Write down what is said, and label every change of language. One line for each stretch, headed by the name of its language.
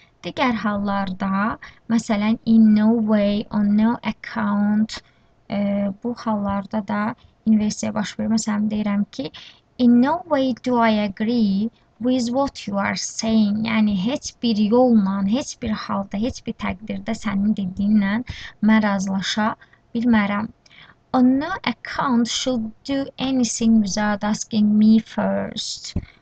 Azerbaijani: Diğer hallarda, mesela in no way, on no account, bu hallarda da inversiya baş verir. Mesela deyirəm ki,
English: in no way do I agree with what you are saying.
Azerbaijani: Yani heç bir yolla, heç bir halda, heç bir təqdirdə sənin dediğinle mən razılaşa bilmərəm.
English: On no account should do anything without asking me first.